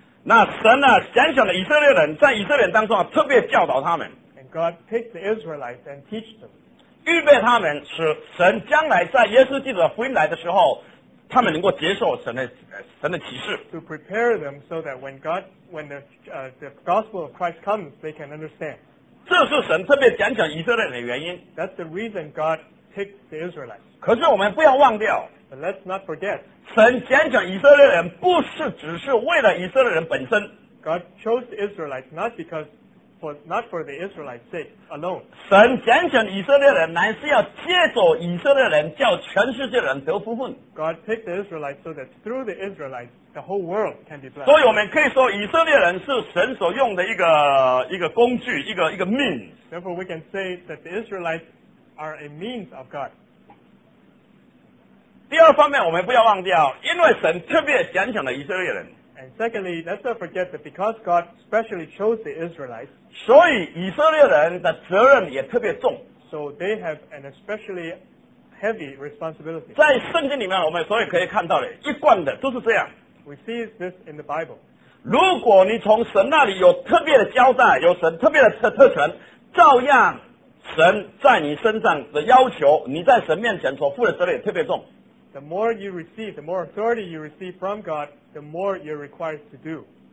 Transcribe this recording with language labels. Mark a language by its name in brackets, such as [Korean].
[Chinese] 那神呢、啊、拣选了以色列人在以色列人当中、啊、特别教导他们。 [English] And God picked the Israelites and teach them. [Chinese] 预备他们使神将来在耶稣基督的福音来的时候他们能够接受神的启示 [English] to prepare them so that when the gospel of Christ comes they can understand [Chinese] 这是神特别拣选以色列人的原因 [English] that's the reason God picked the Israelites [Chinese] 可是我们不要忘掉 [English] but let's not forget [Chinese] 神拣选以色列人不是只是为了以色列人本身 [English] God chose the Israelites not becauseNot for the Israelites' sake alone. [Chinese] 神拣选以色列人，乃是要借着以色列人叫全世界人得福分。 [English] God picked the Israelites so that through the Israelites, the whole world can be blessed. [Chinese] 所以我们可以说以色列人是神所用的一个工具，一个 means. [English] Therefore, we can say that the Israelites are a means of God. [Chinese] 第二方面，我们不要忘掉，因为神特别拣选了以色列人。 [English] And secondly, let's not forget that because God specially chose the Israelites, [Chinese] 所以以色列人的责任也特别重。 [English] So they have an especially heavy responsibility. [Chinese] 在圣经里面，我们所以可以看到的，一贯的都是这样。 [English] We see this in the Bible. [Chinese] 如果你从神那里有特别的交代，有神特别的特权，照样神在你身上的要求，你在神面前所负的责任也特别重。 [English] the more you receive, the more authority you receive from God, the more you're required to do.